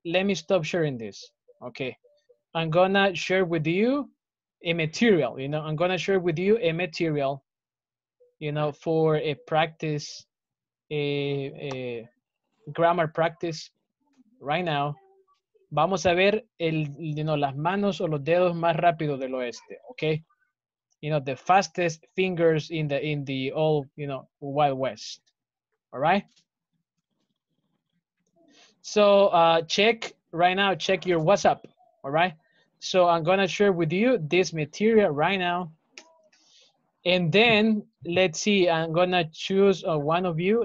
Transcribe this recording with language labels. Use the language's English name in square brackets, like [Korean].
[English] Let me stop sharing this. Okay. I'm going to share with you a material. You know, I'm going to share with you a material, you know, for a practice, a grammar practice right now. [Spanish] Vamos a ver las manos o los dedos más rápido del oeste. [English] Okay. You know, the fastest fingers in the old, you know, Wild West. All right. So check your WhatsApp. All right. So I'm gonna share with you this material right now. And then let's see, I'm gonna choose one of you.